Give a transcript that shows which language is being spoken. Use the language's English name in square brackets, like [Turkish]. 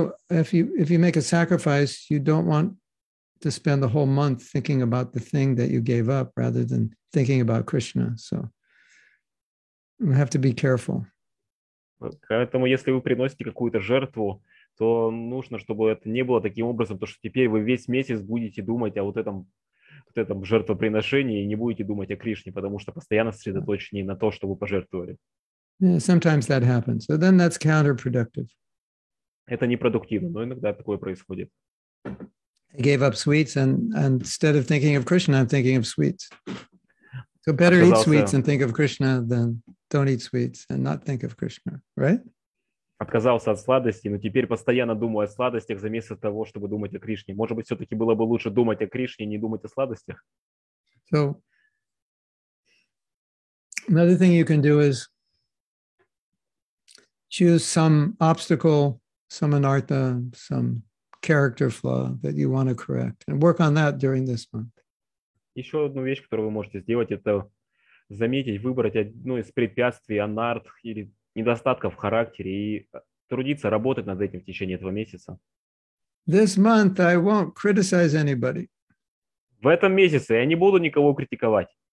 [English] If you make a sacrifice, you don't want to spend the whole month thinking about the thing that you gave up rather than thinking about Krishna. So we have to be careful. [Russian] Поэтому, если вы приносите какую-то жертву, то нужно, чтобы это не было таким образом, то что теперь вы весь месяц будете думать о вот этом жертвоприношении и не будете думать о Кришне, потому что постоянно сосредоточены на то, что вы пожертвовали. [English] Yeah, sometimes that happens. So then that's counterproductive. [Russian] Это непродуктивно, но иногда такое происходит. [English] I gave up sweets, and instead of thinking of Krishna, I'm thinking of sweets. So better eat sweets and think of Krishna than don't eat sweets and not think of Krishna, right? [Russian] Отказался от сладостей, но теперь постоянно думаю о сладостях вместо того, чтобы думать о Кришне. Может быть, все-таки было бы лучше думать о Кришне, не думать о сладостях? [English] So, another thing you can do is choose some obstacle, some anartha, some character flaw that you want to correct and work on that during this month. [Russian] Еще одну вещь, которую вы можете сделать, это заметить, выбрать одну из препятствий, анарт или недостатков в характере и трудиться, работать над этим в течение этого месяца. [English] This month I won't criticize anybody. [Russian] В этом месяце я не буду никого критиковать.